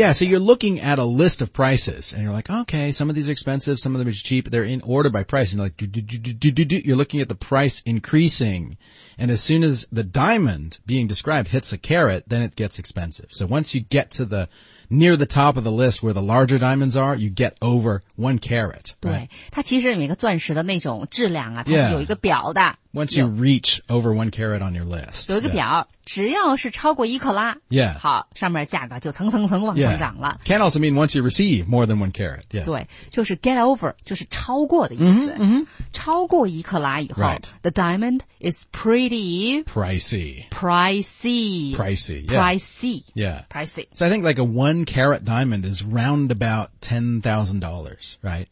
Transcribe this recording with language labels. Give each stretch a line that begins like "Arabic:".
English: Yeah, so you're looking at a list of prices, and you're like, okay, some of these are expensive, some of them are cheap, they're in order by price, and you're like, you're looking at the price increasing, and as soon as the diamond being described hits a carat, then it gets expensive. So once you get to the... near the top of the list where the larger diamonds are, you get over one carat.
Chinese: 对、right? 它其实每个钻石的那种质量啊它是有一个表的。
English: Yeah. Once you reach over one carat on your list.
Chinese: 有一个表、yeah. 只要是超过一克拉、
English: yeah.
Chinese: 好上面价格就层层层往上涨了。
English: Yeah. Can also mean once you receive more than one carat.、Yeah.
Chinese: 对就是 get over, 就是超过的意思。Mm-hmm, mm-hmm. 超过一克拉以后、
English: right. the diamond is pretty pricey. Pricey. Pricey.、Yeah. Pricey. Yeah. Pricey. So I think like a one carat diamond is round about $10,000, right?